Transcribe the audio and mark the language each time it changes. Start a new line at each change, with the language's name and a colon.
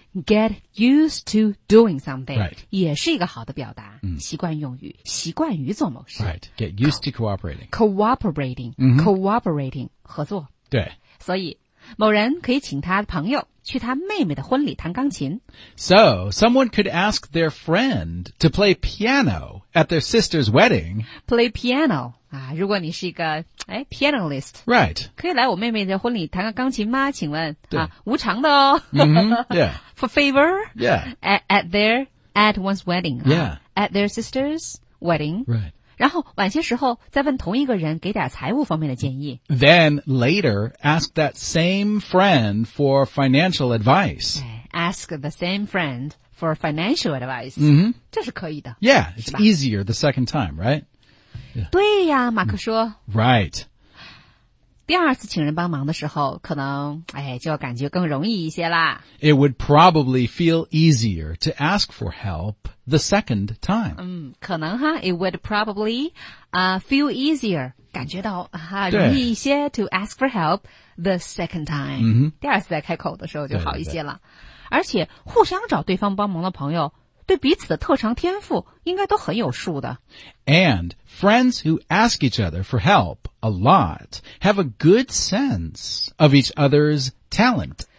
English: Get used to doing something. Right.
Chinese: 也是一个好的表达、嗯、习惯用于习惯于做某事。
English: Right. Get used to cooperating. Cooperating,、 mm-hmm. cooperating,
Chinese: 合作。对。所以某人可以请他的朋友去他妹妹的婚礼弹钢琴。
English: So, someone could ask their friend to play piano at their sister's wedding. Play piano.
Chinese: 啊，如果你是一个哎 pianist，
English: right，
Chinese: 可以来我妹妹的婚礼弹个钢琴吗？请问啊，无偿的哦、 mm-hmm. ，yeah，
English: for favor， yeah， at one's wedding， yeah， at their sister's wedding， right，
Chinese: 然后晚些时候再问同一个人给点财务方面的建议。
English: Then later ask that same friend for financial advice. Ask the same friend for financial advice. Mm-hmm.
Chinese: 这是可以的。
English: Yeah， it's easier the second time， right？ Yeah.
Chinese: 对呀马克说
English: Right
Chinese: 第二次请人帮忙的时候可能哎，就要感觉更容易一些啦
English: It would probably feel easier to ask for help the second time
Chinese: 嗯，可能哈
English: It would probably、feel easier
Chinese: 感觉到哈容易一些
English: to ask for help the second time、 mm-hmm.
Chinese: 第二次在开口的时候就好一些了而且互相找对方帮忙的朋友对彼此的特长天赋应该都很有数的。
English: And friends who ask each other for help a lot have a good sense of each other's talent.